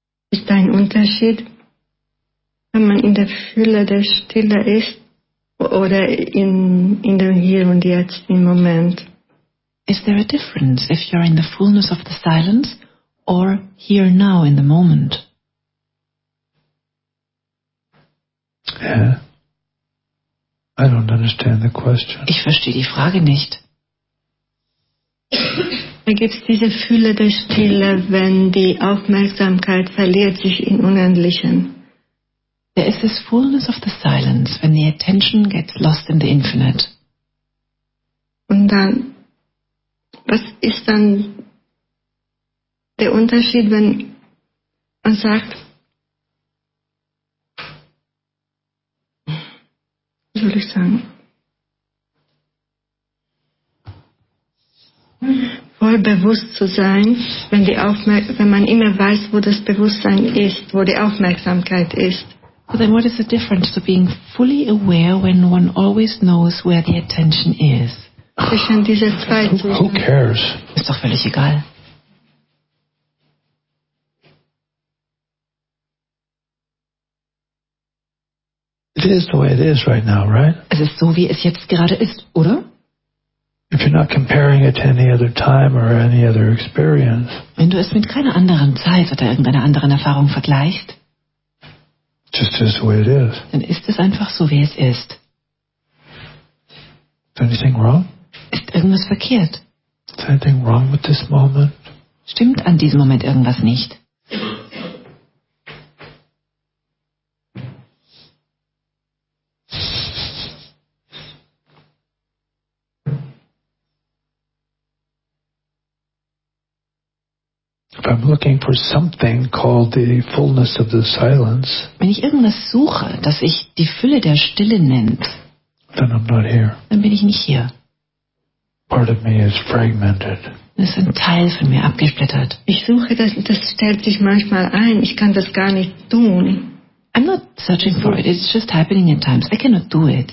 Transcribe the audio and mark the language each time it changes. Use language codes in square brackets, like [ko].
[de] Ist ein Unterschied, wenn man in der Fülle der Stille ist oder in dem Hier und Jetzt im Moment? [en] Is there a difference if you're in the fullness of the silence or here now in the moment? I don't understand the question. [de] Ich verstehe die Frage nicht. Da gibt es diese Fülle der Stille, wenn die Aufmerksamkeit verliert sich in Unendlichen. [en] There is this fullness of the silence, when the attention gets lost in the infinite. [de] Und dann, was ist dann der Unterschied, wenn man sagt, wie soll ich sagen, voll bewusst zu sein, wenn man immer weiß, wo das Bewusstsein ist, wo die Aufmerksamkeit ist. [en] So then what is the difference to being fully aware when one always knows where the attention is? [de] Zwischen diese zwei Zustände. [en] Who cares? [de] Ist doch völlig egal. [en] It It is the way it is right now, right? [de] Es ist so, wie es jetzt gerade ist, oder? [en] If you're not comparing it to any other time or any other experience. [de] Wenn du es mit keiner anderen Zeit oder irgendeiner anderen Erfahrung vergleichst. [en] Just is the way it is. [de] Dann ist es einfach so, wie es ist. [en] Is anything wrong? [de] Ist irgendwas verkehrt? [en] Is anything wrong with this moment? [de] Stimmt an diesem Moment irgendwas nicht? [en] If I'm looking for something called the fullness of the silence, [de] wenn ich irgendwas suche, das ich die Fülle der Stille nennt, [en] then I'm not here. [de] Dann bin ich nicht hier. [en] Part of me is fragmented. [de] Es ist ein Teil von mir abgesplittert. Ich suche das, das stellt sich manchmal ein. Ich kann das gar nicht tun. [en] I'm not searching for it. It's just happening at times. I cannot do it.